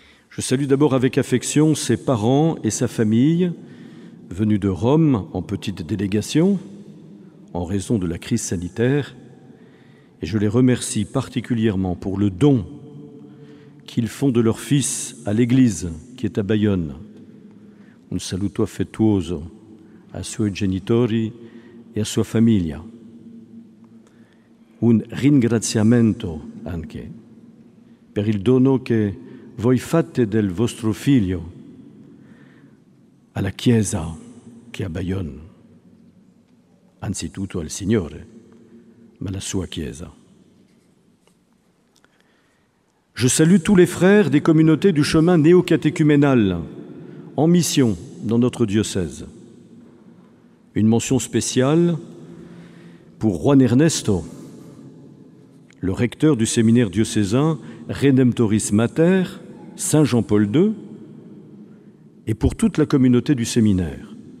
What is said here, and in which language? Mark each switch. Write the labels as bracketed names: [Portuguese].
[French] Je salue d'abord avec affection ses parents et sa famille, venus de Rome en petite délégation, en raison de la crise sanitaire, et je les remercie particulièrement pour le don qu'ils font de leur fils à l'Église qui est à Bayonne. [Italian] Un saluto affettuoso a suoi genitori e a sua famiglia. Un ringraziamento anche per il dono che voi fate del vostro figlio alla Chiesa che è a Bayonne, anzitutto al Signore, ma la sua Chiesa. [French] Je salue tous les frères des communautés du chemin néo-catéchuménal en mission dans notre diocèse. Une mention spéciale pour Juan Ernesto, le recteur du séminaire diocésain Redemptoris Mater, Saint Jean-Paul II, et pour toute la communauté du séminaire.